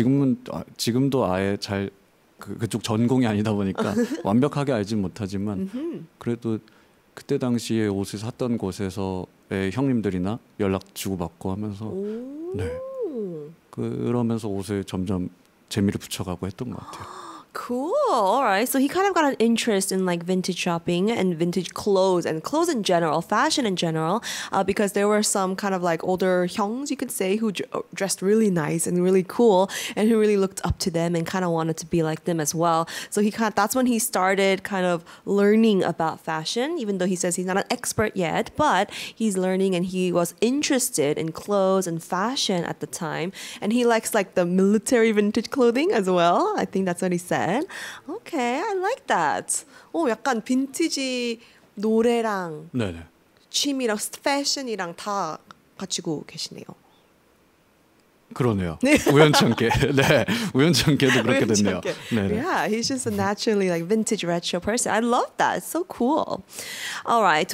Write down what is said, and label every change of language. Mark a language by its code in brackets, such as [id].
[ko] 지금은 지금도 아예 잘 그쪽 전공이 아니다 보니까 완벽하게 알지는 못하지만 그래도 그때 당시에 옷을 샀던 곳에서의 형님들이나 연락 주고받고 하면서 네. 그러면서 옷을 점점 재미를 붙여가고 했던 것 같아요. [en] Cool. All right. So he kind of got an interest in like vintage shopping and vintage clothes and clothes in general, fashion in general, because there were some kind of like older hyungs, you could say, who dressed really nice and really cool and who really looked up to them and kind of wanted to be like them as well. So he kind of, that's when he started kind of learning about fashion, even though he says he's not an expert yet, but he's learning and he was interested in clothes and fashion at the time. And he likes like the military vintage clothing as well. I think that's what he said. Okay, I like that. [ko] Oh, 약간 빈티지 노래랑 네네. 취미랑 패션이랑 다 가지고 계시네요. 그러네요. 우연찮게. 네. 우연찮게도 그렇게 됐네요. 네네. [en] Yeah, he's just a naturally like vintage retro person. I love that. It's so cool. All right.